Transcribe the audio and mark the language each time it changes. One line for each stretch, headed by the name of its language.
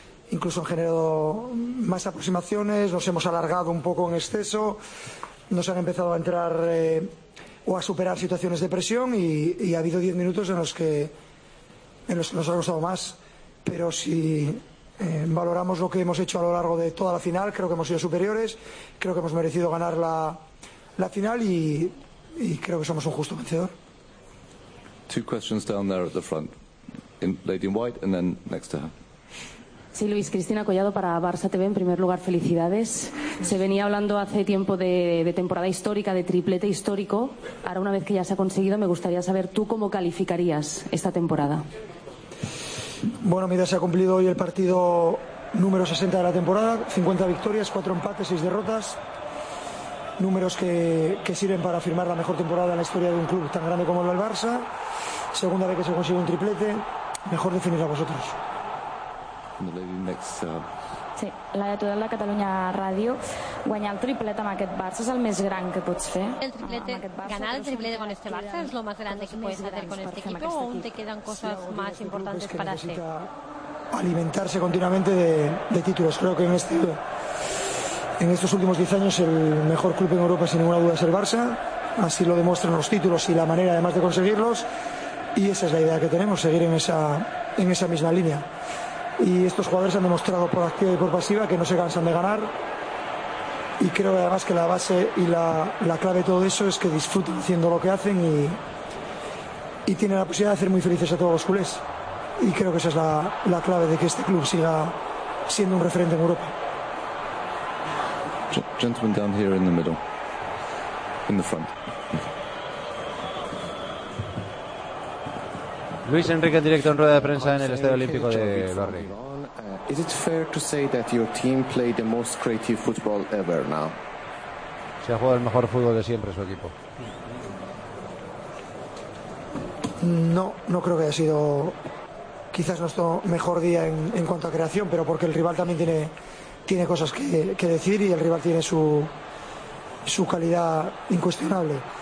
Spanish: Incluso han generado más aproximaciones, nos hemos alargado un poco en exceso, nos han empezado a entrar o a superar situaciones de presión y ha habido 10 minutos en los que nos ha costado más. Pero si valoramos lo que hemos hecho a lo largo de toda la final, creo que hemos sido superiores, creo que hemos merecido ganar la final y creo que somos un justo vencedor.
English: Two questions down there at the front, lady in white and then next to her.
Spanish: Sí, Luis, Cristina Collado para Barça TV. En primer lugar, felicidades. Se venía hablando hace tiempo de temporada histórica, de triplete histórico. Ahora, una vez que ya se ha conseguido, me gustaría saber tú cómo calificarías esta temporada. Bueno, mira, se ha cumplido hoy el partido número 60 de la temporada. 50 victorias, 4 empates, 6 derrotas. Números que sirven para firmar la mejor temporada en la historia de un club tan grande como el Barça. Segunda vez que se consigue un triplete. Mejor definir a vosotros. Sí, Laia Tudel de Catalunya Ràdio.
Catalan: Guanyar el triplet amb aquest Barça és el més gran que pots fer?
Spanish: El triplete, Barça, ganar el triplete con este Barça és el más grande que puedes hacer con este equipo o aún te quedan cosas sí, más importantes que para hacer? Alimentarse continuamente de títulos. Creo que en estos últimos 10 años el mejor club en Europa sin ninguna duda es el Barça. Así lo demuestran los títulos y la manera además de conseguirlos. Y esa es la idea que tenemos, seguir en esa misma línea. Y estos jugadores han demostrado por activa y por pasiva que no se cansan de ganar. Y creo además que la base y la clave de todo eso es que disfruten haciendo lo que hacen y tienen la posibilidad de hacer muy felices a todos los culés. Y creo que esa es la clave de que este club siga siendo un referente en Europa.
English: Gentlemen down here in the middle. In the front.
Spanish: Luis Enrique en directo en rueda de prensa en el Estadio Olímpico de Barri.
English: Is it fair to say that your team played the most creative football ever now?
Spanish: Se ha jugado el mejor fútbol de siempre su equipo. No creo que haya sido quizás nuestro mejor día en cuanto a creación, pero porque el rival también tiene cosas que decir y el rival tiene su calidad incuestionable.